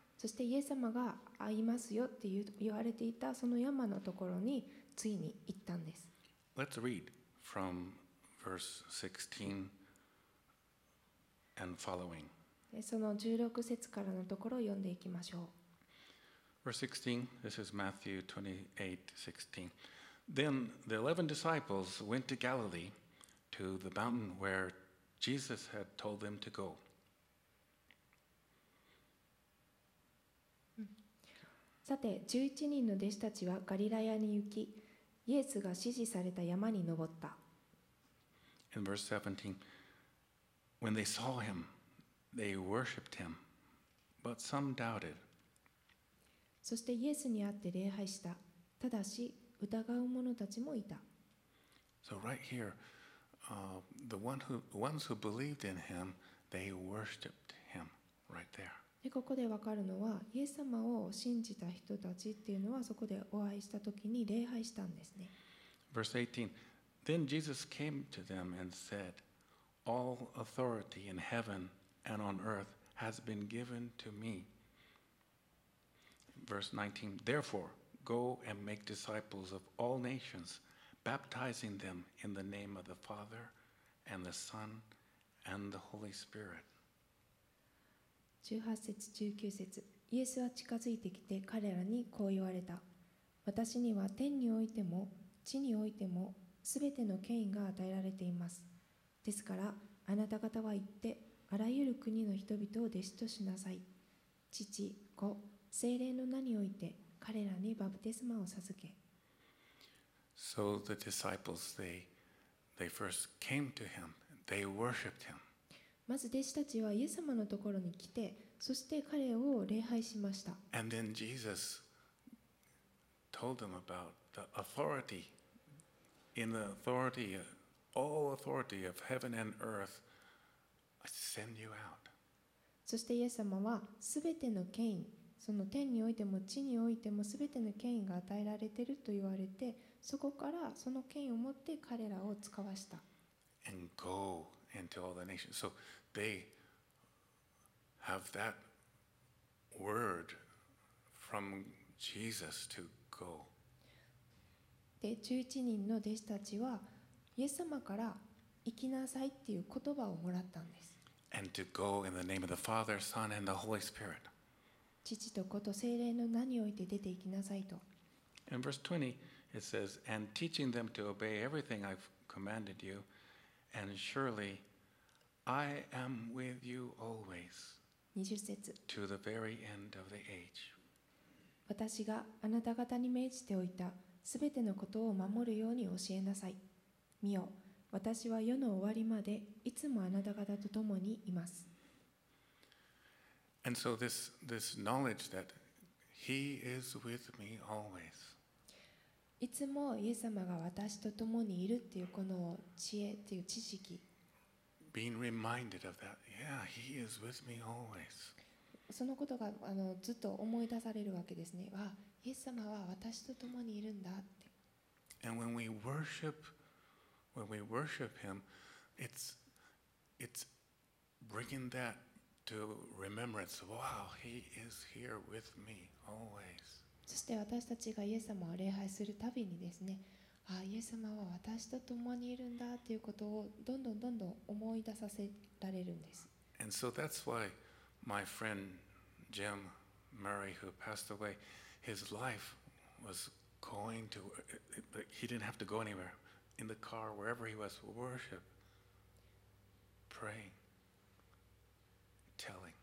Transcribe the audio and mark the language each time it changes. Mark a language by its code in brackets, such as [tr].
[ja] そしてイエス様が会いますよって言われていたその山のところについに行ったんです。 [en] Let's read from verse 16 and following. [ja] その16節からのところを読んでいきましょう。 [en] Verse 16, this is Matthew 28:16. Then the 11 disciples went to Galilee to the mountain where Jesus had told them to go. [ja] さて、11人の弟子たちはガリラヤに行き、イエスが指示された山に登った。 [en] In verse 17, when they saw him, they worshipped him, but some doubted. [ja] そしてイエスに会って礼拝した。ただし、疑う者たちもいた。 [en] So right here, the ones who believed in him, they worshipped him right there. [ja] でここで分かるのは、イエス様を信じた人たちっていうのは、そこでお会いしたときに礼拝したんですね。 [en] Verse 18: Then Jesus came to them and said, All authority in heaven and on earth has been given to me. Verse 19: Therefore, go and make disciples of all nations, baptizing them in the name of the Father and the Son and the Holy Spirit. [ja] 18節19節、イエスは近づいてきて彼らにこう言われた。私には天においても地においてもすべての権威が与えられています。ですからあなた方は行ってあらゆる国の人々を弟子としなさい。父、子、聖霊の名において彼らにバプテスマを授け。 [en] So the disciples, they first came to him. They worshipped him. [ja] まず弟子たちはイエス様のところに来て、そして彼を礼拝しました。 [en] And then Jesus told them about the authority. In the authority, all authority of heaven and earth, I send you out. [ja] そしてイエス様は、すべての権威、その天においても地においてもすべての権威が与えられていると言われて、そこからその権威を持って彼らを使わした。 [en] And go. Into all the nations. So they have that word from Jesus to go. [ja] で、11人の弟子たちはイエス様から行きなさいっていう言葉をもらったんです。 [en] And to go in the name of the Father, Son, and the Holy Spirit. [ja] 父と子と聖霊の名において出て行きなさいと。 [en] In verse 20, it says, "And teaching them to obey everything I've commanded you, and surely." I am with you always, [ja] 20節 [en] to the very end of the age. [ja] 私があなた方に命じておいたすべてのことを守るように教えなさい。見よ、私は世の終わりまでいつもあなた方と共にいます。 [en] And so this knowledge that He is with me always. [ja] いつもイエス様が私と共にいるっていうこの知恵っていう知識。 [en] Being reminded of that, yeah, He is with me always. [ja] そのことがずっと思い出されるわけですね。わ、イエス様は私と共にいるんだって。 [en] And when we worship Him, it's bringing that to remembrance. Wow, He is here with me always. [ja] そして私たちがイエス様を礼拝するたびにですね。ああイエス様は私と共にいるんだということをどんどんどんどん思い出させられるんです。 [en] And so that's why my friend Jim Murray, who passed away, his life was going to, he didn't have to go anywhere, in the car, wherever he was, worship, praying, telling.